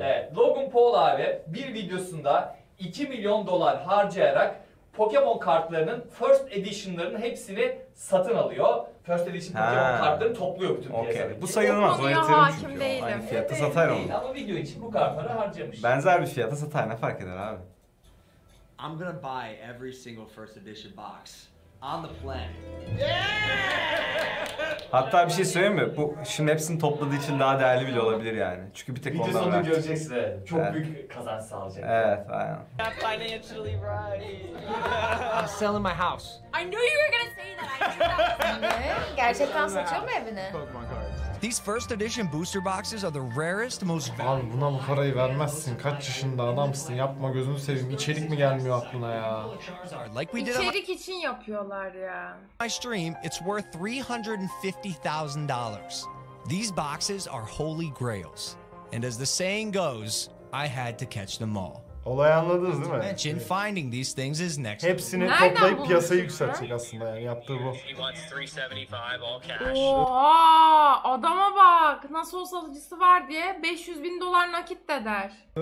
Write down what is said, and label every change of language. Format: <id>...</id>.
<tr>Evet, Logan Paul abi bir videosunda 2 milyon dolar harcayarak Pokemon kartlarının first edition'larının hepsini satın alıyor. First edition Pokemon kartlarını topluyor bütün piyasada. Okay. Bu sayılmaz. Bu konuya hakim değilim. Aynı fiyata satar onu. Ama video için bu kartları harcamış. Benzer bir fiyata satar ne fark eder abi?</tr> <en>I'm gonna buy every single first edition box on the planet.</en> <tr>Hatta bir şey söyleyeyim mi? Bu şimdi hepsini topladığı için daha değerli bile olabilir yani. Çünkü bir tek video ondan var. Video sonunu göreceksin. Evet. Çok evet. Büyük kazanç sağlayacak. Evet, aynen.</tr> <en>I'm financially right. I'm selling my house. I knew you were gonna say that. I knew that was coming.</en> <tr>Gerçekten satıyor mu evini?</tr> <en>These first edition booster boxes are the rarest, most</en> <tr>valuable. Abi buna bu parayı vermezsin. Kaç yaşında adamsın? Yapma gözünü seveyim. İçerik mi gelmiyor aklına ya? İçerik için yapıyorlar ya.</tr> <en>My stream, it's worth $350,000. These boxes are holy grails. And as the saying goes, I had to catch them all.</en> <tr>Olayı anladınız değil mi?</tr> <en>Mention finding these things is next.</en> <tr>Hepsini toplayıp piyasa yükseltecek aslında yani yaptığı bu. Oha adama bak nasıl olsa alıcısı var diye 500 bin dolar nakit de der.</tr>